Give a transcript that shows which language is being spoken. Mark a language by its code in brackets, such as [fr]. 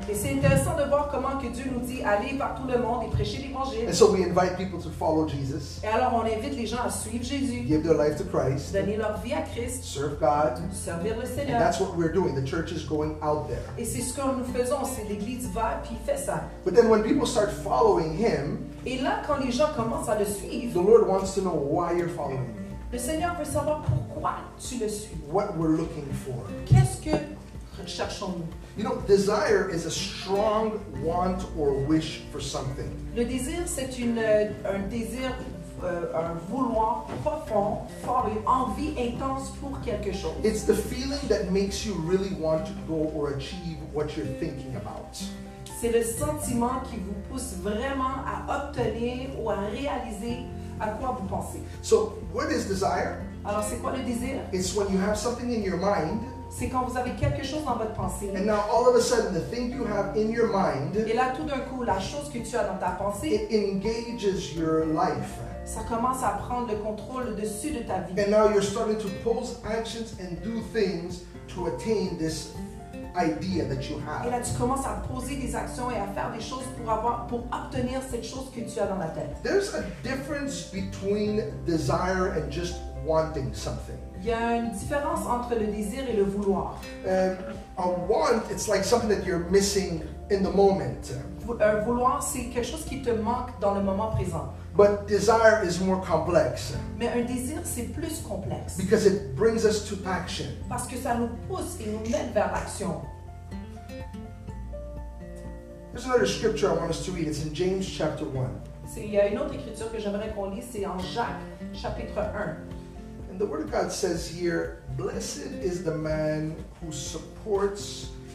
[fr] Et c'est intéressant de voir comment que Dieu nous dit aller partout le monde et prêcher l'évangile. [en] And so we invite people to follow Jesus. [fr] Et alors on invite les gens à suivre Jésus. [en] Give their life to Christ. [fr] Donner leur vie à Christ. [en] Serve God. [fr] Servir le Seigneur. [en] And that's what we're doing. The church is going out there. [fr] Et c'est ce que nous faisons. C'est l'église va puis fait ça. [en] But then when people start following him, [fr] et là quand les gens commencent à le suivre, [en] the Lord wants to know why you're following him. [fr] Le Seigneur veut savoir pourquoi tu le suis. [en] What we're looking for. [fr] Qu'est-ce que recherchons-nous? [en] You know, desire is a strong want or wish for something. [fr] Le désir, c'est un désir, un vouloir profond, fort, une envie intense pour quelque chose. [en] It's the feeling that makes you really want to go or achieve what you're thinking about. [fr] C'est le sentiment qui vous pousse vraiment à obtenir ou à réaliser. À quoi vous pensez? [en] So, what is desire? [fr] Alors, c'est quoi le désir? [en] It's when you have something in your mind. [fr] C'est quand vous avez quelque chose dans votre pensée. [en] And now, all of a sudden, the thing you have in your mind. [fr] Et là, tout d'un coup, la chose que tu as dans ta pensée. [en] It engages your life. [fr] Ça commence à prendre le contrôle dessus de ta vie. [en] And now, you're starting to pose actions and do things to attain this idea that you have. [fr] Et là, tu commences à poser des actions et à faire des choses pour obtenir cette chose que tu as dans la tête. [en] There's a difference between desire and just wanting something. [fr] Il y a une différence entre le désir et le vouloir. [en] A want, it's like something that you're missing in the moment. [fr] Un vouloir, c'est quelque chose qui te manque dans le moment présent. [en] But desire is more complex. [fr] Mais un désir, c'est plus complexe. [en] Because it brings us to action. [fr] Parce que ça nous pousse et nous mène vers l'action. [en] There's another scripture I want us to read. It's in James chapter 1. [fr] Il y a une autre écriture que j'aimerais qu'on lise. C'est en Jacques chapitre 1. [en] And the word of God says here, "Blessed is the man who supports..."